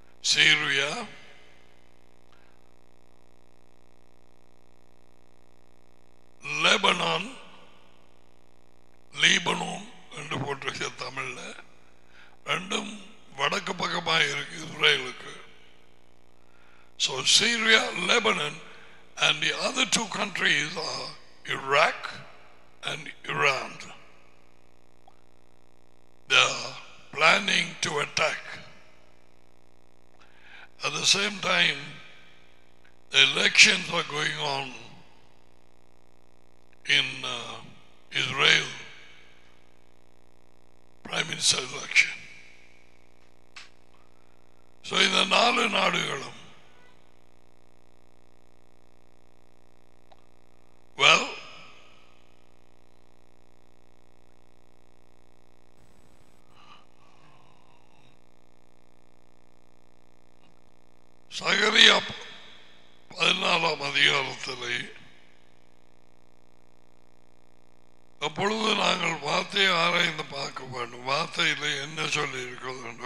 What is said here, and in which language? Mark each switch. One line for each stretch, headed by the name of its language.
Tamil: Syria Lebanon Lebanon என்று போட்டிருக்க தமிழில், ரெண்டும் வடக்கு பக்கமாக இருக்கு இஸ்ரேலுக்கு.
English: So Syria, Lebanon, and the other two countries are Iraq and Iran. They are planning to attack. At the same time, the elections are going on in Israel, Prime Minister election. So in the
Tamil: Nalu Nadugalam, சகரியா 14 அதிகாரத்திலே, அப்பொழுது நாங்கள் வார்த்தையை ஆராய்ந்து பார்க்க வேண்டும், வார்த்தையில என்ன சொல்லி இருக்கிறது.